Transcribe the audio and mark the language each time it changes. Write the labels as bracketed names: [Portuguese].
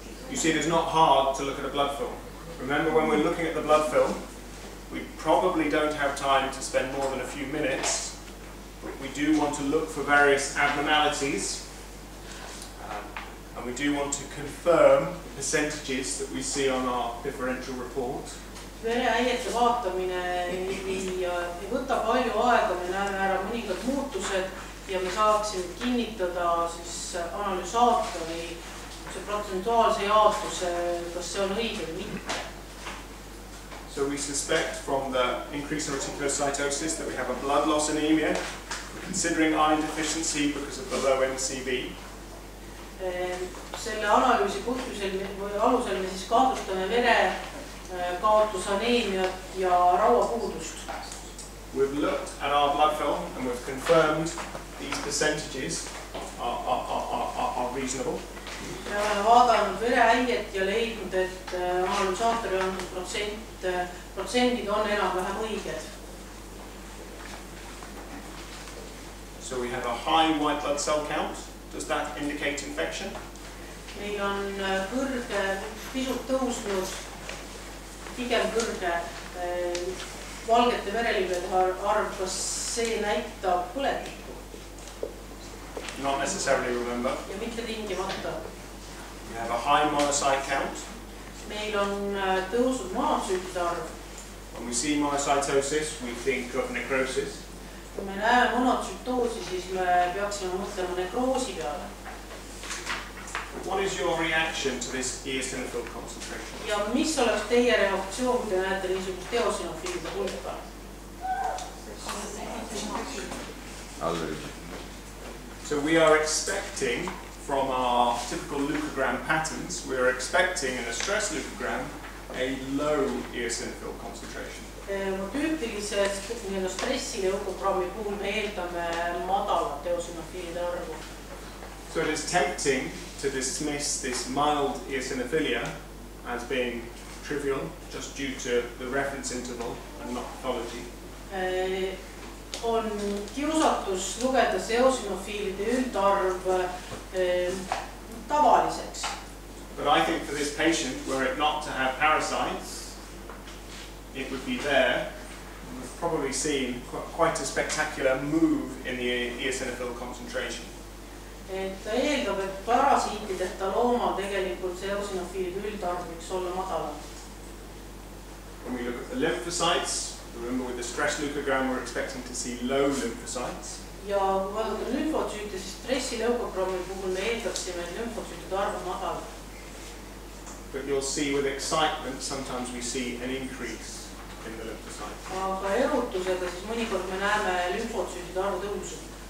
[English] You see, it is not hard to look at a blood film. Remember, when we're looking at the blood film, we probably don't have time to spend more than a few minutes. We do want to look for various abnormalities, and we do want to confirm the percentages that we see on our differential report. [Estonian] Vereäiete vaatamine ei võta palju aega, me näeme ära mõningad muutused ja me saaksime kinnitada siis analüsaatori see protsentuaalse jaotuse, kas see on õige või mitte. [English] So we suspect from the increase in reticulocytosis that we have a blood loss anemia, considering iron deficiency because of the low MCV. [Estonian] Selle analüüsi põhjusel või alusel me siis kahtlustame vere kaotusaneemiat ja raua puudust. [English] We've looked at our blood film and we've confirmed these percentages are reasonable. [Estonian] Ja oleme vaadanud vereäiget ja leidnud, et analüüsaatori antud protsendid on enam vähem õiged. [English] So we have a high white blood cell count. Does that indicate infection? [Estonian] Meil on kõrge, pisut tõusnud, pigem kõrge valgete verelibede arv, kas see näitab põletikku? [English] Not necessarily remember. [Estonian] Ja mitte tingimata. [English] We have a high monocyte count. [Estonian] Meil on tõusnud monocyte arv. [English] When we see monocytosis, we think of necrosis. [Estonian] Kui me näeme monotsytoosi, siis me peaksime mõtlema nekroosi peale. [English] What is your reaction to this eosinophil concentration? [Estonian] Ja mis oleks teie reaktsioon, kui te näete niisugust eosinofiilide hulka? [English] Allergy. So we are expecting, from our typical leukogram patterns, we are expecting in a stress leukogram a low eosinophil concentration. [Estonian] Ma tüüpilises stressi leukogrammi puhul me eeldame madalat eosinofiilide arvu. [English] So it is tempting to dismiss this mild eosinophilia as being trivial, just due to the reference interval and not pathology. [Estonian] On kiusatus lugeda eosinofiilide üldarv tavaliseks. [English] But I think for this patient, were it not to have parasites, it would be there, we've probably seen quite a spectacular move in the eosinophil concentration. [Estonian] Ta eeldab, et parasiitideta looma tegelikult see eosinofiilid üldarv võiks olla madala. [English] When we look at the lymphocytes, remember with the stress leukogram we're expecting to see low lymphocytes. [Estonian] Ja kui vaadata lymphocyte, siis stressi leukogrammi puhul me eeldaksime, et lymphocyted arv on madala. [English] But you'll see with excitement, sometimes we see an increase in the lymphocytes. [Estonian] Aga erutusega siis mõnikord me näeme lymphocyted arv tõusub.